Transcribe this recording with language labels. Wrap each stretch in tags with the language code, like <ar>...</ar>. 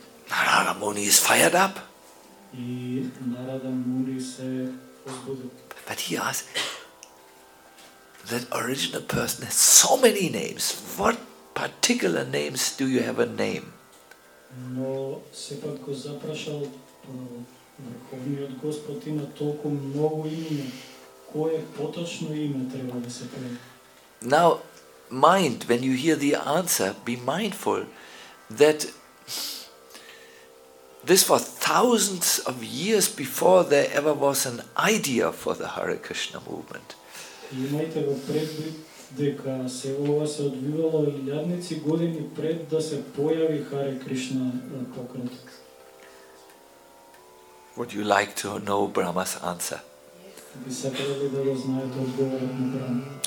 <en>Narada Muni is fired up. But he asks, that original person has so many names. What particular names do you have a name?</en> <mk>Но сепак го запрашал Верховниот Господ има толку многу имена. Кое поточно име треба да се прави?</mk> <en>Now, mind, when you hear the answer, be mindful that this was thousands of years before there ever was an idea for the Hare Krishna movement.</en> <mk>Имајте во предвид дека се ова се одвивало илјадници години пред да се појави Харе Кришна покрет.</mk> <en>Would you like to know Brahma's answer?</en> <mk>Би сакале да го знаете одговорот на Брама.</mk>